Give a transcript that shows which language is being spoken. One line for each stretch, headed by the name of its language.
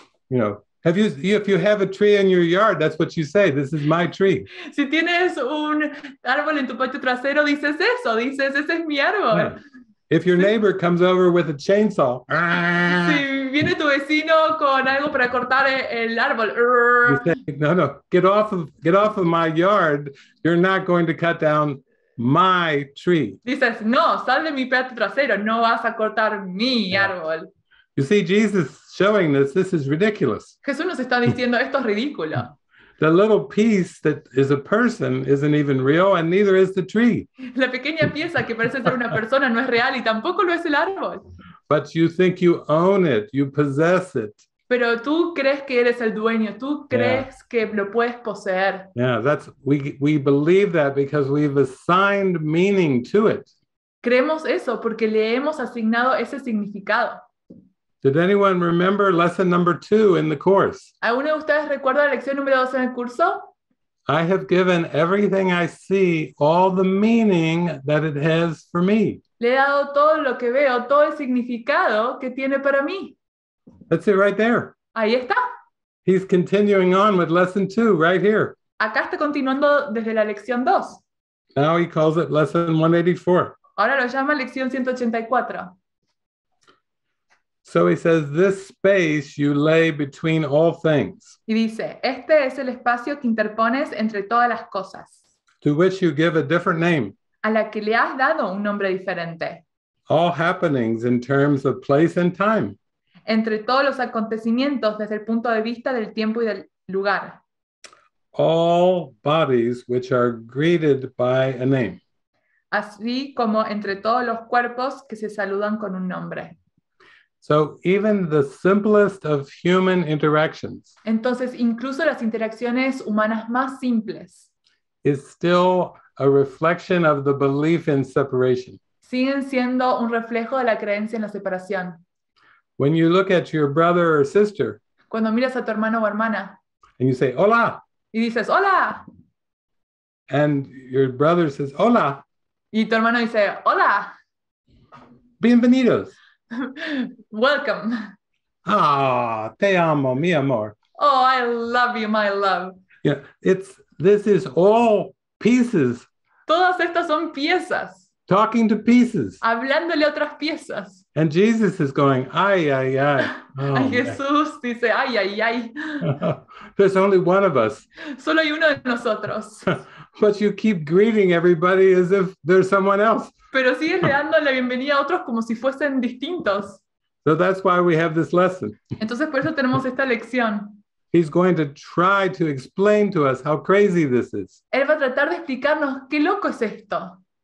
English: You know, if you have a tree in your yard, that's what you say. This is my tree.
Spanish: Si tienes un árbol en tu patio trasero, dices eso. Dices, ese es mi árbol. Yeah.
English: If your neighbor comes over with a chainsaw,
Spanish: si viene tu vecino con algo para cortar el árbol,
English: you say, no, get off of my yard. You're not going to cut down my tree.
Spanish: Dices, no, sal de mi patio trasero. No vas a cortar mi árbol.
English: You see, Jesus showing this is ridiculous.
Spanish: Jesús nos está diciendo, esto es ridículo.
English: The little piece that is a person isn't even real, and neither is the tree.
Spanish: La pequeña pieza que parece ser una persona no es real, y tampoco lo es el árbol.
English: But you think you own it, you possess it.
Spanish: Pero tú crees que eres el dueño, tú crees que lo puedes poseer.
English: Yeah, that's we believe that because we've assigned meaning to it.
Spanish: Creemos eso porque le hemos asignado ese significado.
English: Did anyone remember lesson number 2 in the course?
Spanish: ¿Alguno de ustedes recuerda la lección número 2 en el curso?
English: I have given everything I see all the meaning that it has for me.
Spanish: Le he dado todo lo que veo, todo el significado que tiene para mí.
English: That's it right there.
Spanish: Ahí está.
English: He's continuing on with lesson 2 right here.
Spanish: Acá está continuando desde la lección 2.
English: Now he calls it lesson 184.
Spanish: Ahora lo llama lección 184.
English: So he says, this space you lay between all things.
Spanish: Y dice, este es el espacio que interpones entre todas las cosas.
English: To which you give a different name.
Spanish: A la que le has dado un nombre diferente.
English: All happenings in terms of place and time.
Spanish: Entre todos los acontecimientos desde el punto de vista del tiempo y del lugar.
English: All bodies which are greeted by a name.
Spanish: Así como entre todos los cuerpos que se saludan con un nombre.
English: So even the simplest of human interactions.
Spanish: Entonces, incluso las interacciones humanas más simples.
English: Is still a reflection of the belief in separation.
Spanish: Siguen siendo un reflejo de la creencia en la separación.
English: When you look at your brother or sister.
Spanish: Cuando miras a tu hermano o hermana.
English: And you say, hola.
Spanish: Y dices, hola.
English: And your brother says, hola.
Spanish: Y tu hermano dice, hola. Bienvenidos.
English: Welcome.
Spanish: Ah, te amo, mi amor.
English: Oh, I love you, my love. Yeah, this is all pieces.
Spanish: Todas estas son piezas.
English: Talking to pieces.
Spanish: Hablándole otras piezas.
English: And Jesus is going, ay, ay, ay.
Spanish: Oh, Jesús dice, ay, ay, ay.
English: There's only one of us.
Spanish: Solo hay uno de nosotros.
English: But you keep greeting everybody as if there's someone else.
Spanish: Pero sigues le dando la bienvenida a otros como si fuesen distintos.
English: So that's why we have this lesson.
Spanish: Entonces por eso tenemos esta lección.
English: He's going to try to explain to us how crazy this is.
Spanish: Él va a tratar de explicarnos qué loco es esto.